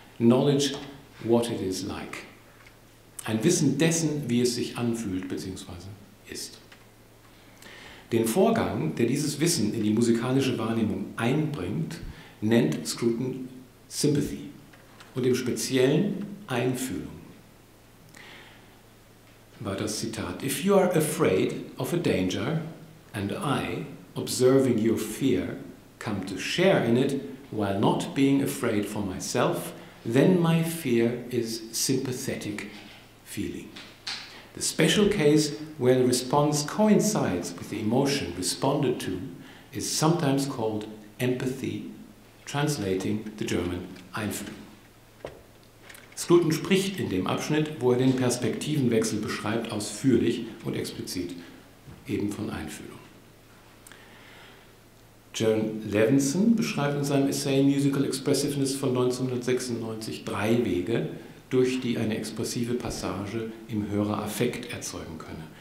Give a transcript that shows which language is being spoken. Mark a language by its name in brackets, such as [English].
[English] Knowledge, what it is like. [German] Ein Wissen dessen, wie es sich anfühlt bzw. ist. Den Vorgang, der dieses Wissen in die musikalische Wahrnehmung einbringt, nennt Scruton Sympathy und im Speziellen Einfühlung. War das Zitat, [English] if you are afraid of a danger and I, observing your fear, come to share in it while not being afraid for myself, then my fear is sympathetic feeling. The special case where the response coincides with the emotion responded to is sometimes called empathy, translating the German Einfühlung. [German] Scruton spricht in dem Abschnitt, wo er den Perspektivenwechsel beschreibt, ausführlich und explizit, eben von Einfühlung. Jaron Levinson beschreibt in seinem Essay Musical Expressiveness von 1996 drei Wege, durch die eine expressive Passage im Hörer Affekt erzeugen könne.